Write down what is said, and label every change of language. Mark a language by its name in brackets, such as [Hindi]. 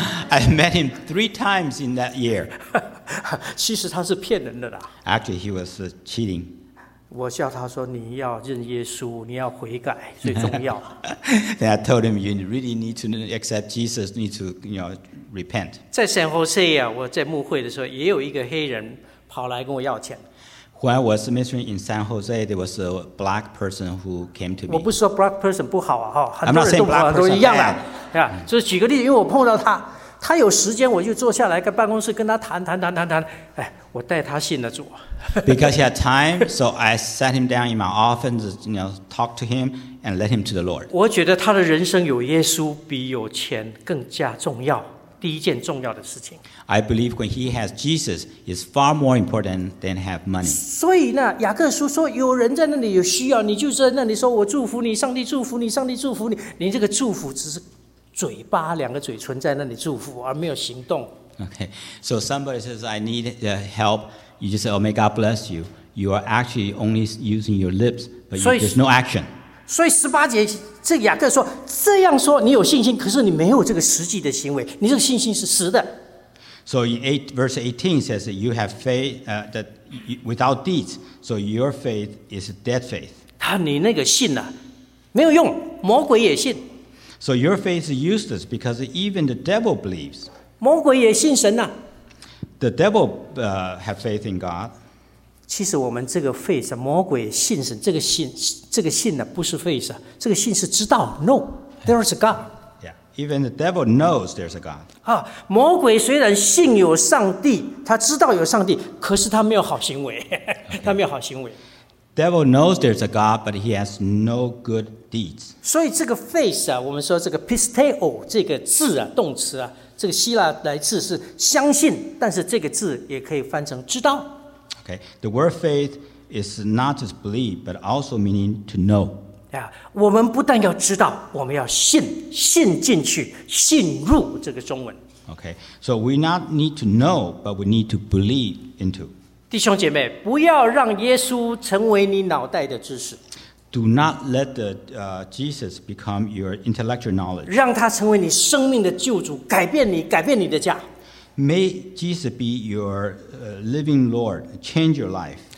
[English] I met him three times in that year. [Chinese] 其实他是骗人的啦。 [English] Actually, he was cheating. [Chinese] 我叫他说你要认耶稣，你要悔改最重要。 [English] Then I told him you really need to accept Jesus, need to repent. [Chinese] 在 San Jose 我在牧会的时候，也有一个黑人跑来跟我要钱。 [English] When I was ministering in San Jose, there was a black person who came to me. [Chinese] 我不是说 [English] black person [Chinese] 不好啊，哈，很多人都跑都一样啊，就举个例子，因为我碰到他。他有时间，我就坐下来跟办公室跟他谈。哎，我带他信了主。 [English] Because he had time, so I sat him down in my office, talk to him and led him to the Lord. [Chinese] 我觉得他的人生有耶稣比有钱更加重要，第一件重要的事情。 [English] I believe when he has Jesus, it's far more important than have money. [Chinese] 所以呢，雅各书说，有人在那里有需要，你就在那里说，我祝福你，上帝祝福你，上帝祝福你。你这个祝福只是。嘴巴两个嘴唇在那里祝福，而没有行动。 [English] Okay, so somebody says I need help. You just say, "Oh, may God bless you." You are actually only using your lips, but there's no action. [Chinese] 所以十八节，这雅各说这样说，你有信心，可是你没有这个实际的行为。你这个信心是实的。 [English] So in verse 18 says that you have faith that without deeds, so your faith is dead faith. [Chinese] 你那个信没有用，魔鬼也信。 [English] So your faith is useless because even the devil believes. [Chinese] 魔鬼也信神啊。 [English] The devil have faith in God. [Chinese] 其实我们这个 faith, 魔鬼也信神，这个信，这个信呢不是 faith, 这个信是知道 , [English] no, there is a God. Even the devil knows there's a God. [Chinese] 啊，魔鬼虽然信有上帝，他知道有上帝，可是他没有好行为，他没有好行为。 [English] Devil knows there's a God, but he has no good deeds. [Chinese] 所以这个 faith 啊，我们说这个 pisteo 这个字啊，动词啊，这个希腊来自是相信，但是这个字也可以翻成知道。 [English] Okay, the word faith is not just believe, but also meaning to know. [Chinese] 我们不但要知道，我们要信，信进去，信入这个中文。 [English] Okay, so we not need to know, but we need to believe into. [Chinese] 弟兄姐妹，不要让耶稣成为你脑袋的知识。 [English] Do not let the Jesus become your intellectual knowledge. [Chinese] 让他成为你生命的救主，改变你，改变你的家。 [English] May Jesus be your living Lord, change your life.